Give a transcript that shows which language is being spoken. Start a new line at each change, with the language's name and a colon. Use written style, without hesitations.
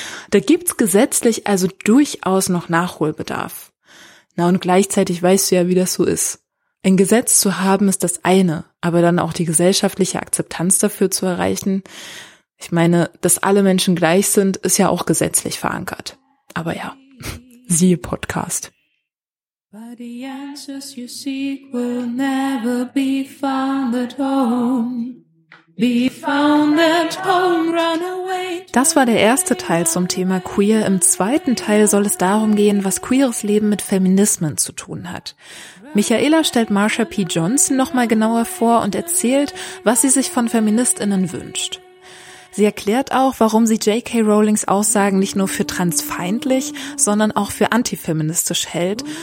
German: Da gibt's gesetzlich also durchaus noch Nachholbedarf. Na und gleichzeitig weißt du ja, wie das so ist. Ein Gesetz zu haben ist das eine, aber dann auch die gesellschaftliche Akzeptanz dafür zu erreichen. Ich meine, dass alle Menschen gleich sind, ist ja auch gesetzlich verankert. Aber ja, siehe Podcast.
English: But the answers you seek will never be found at home. Be found at home, run away.
German: Das war der erste Teil zum Thema Queer. Im zweiten Teil soll es darum gehen, was queeres Leben mit Feminismen zu tun hat. Michaela stellt Marsha P. Johnson nochmal genauer vor und erzählt, was sie sich von FeministInnen wünscht. Sie erklärt auch, warum sie J.K. Rowlings Aussagen nicht nur für transfeindlich, sondern auch für antifeministisch hält.